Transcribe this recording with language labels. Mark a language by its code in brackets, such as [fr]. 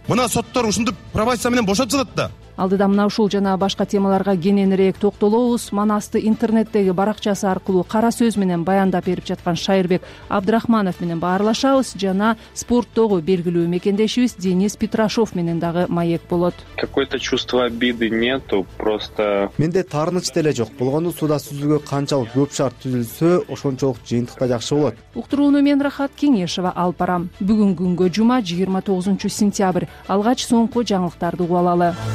[ky] Мына соттор ушинтип пробация менен бошотуп жатат да. Алдыда мына ушул жана башка темаларга кененирээк токтолобуз. Манасты интернеттеги баракчасы аркылуу кара сөз менен баяндап берип жаткан Шайырбек Абдрахманов менен баарлашабыз жана спорттогу белгилүү мекендешибиз Денис Петрашов менен дагы маек болот. [ru] Какое-то чувство обиды нету, просто [ky] менде таарынычт эле жок. Болгону сууда сүзүүгө канчалык көп шарт түзүлсө, ошончолук жыйынтык да жакшы болот. Уктурууну мен Рахат Кеңешова алып барам. Бүгүн күнгө жума, 29 сентябрь. Алгач соңку жаңылыктарды угалалы.